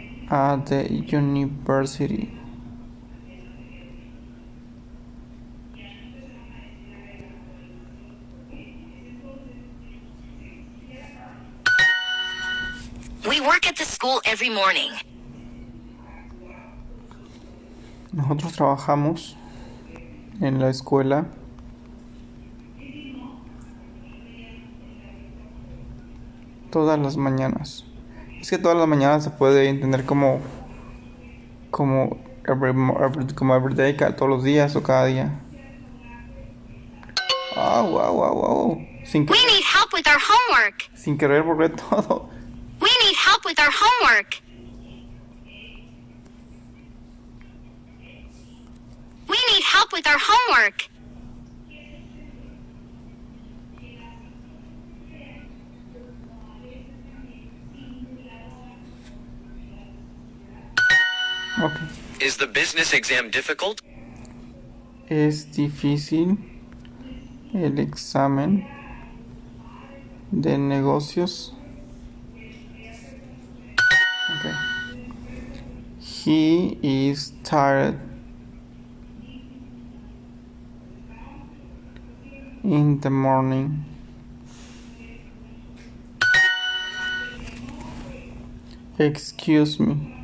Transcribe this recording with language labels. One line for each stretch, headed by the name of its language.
English: At the university. We work at the school every morning.
Spanish: Nosotros trabajamos en la escuela. Todas las mañanas. Es que todas las mañanas se puede entender como
English: every day,
Spanish: todos los días o cada día.
English: Wow. We need help with our homework.
Spanish: Sin querer borré todo.
English: We need help with our homework. We need help with our homework. Okay. Is the business exam difficult?
Spanish: ¿Es difícil el examen de negocios?
English: He is tired in the morning. Excuse me.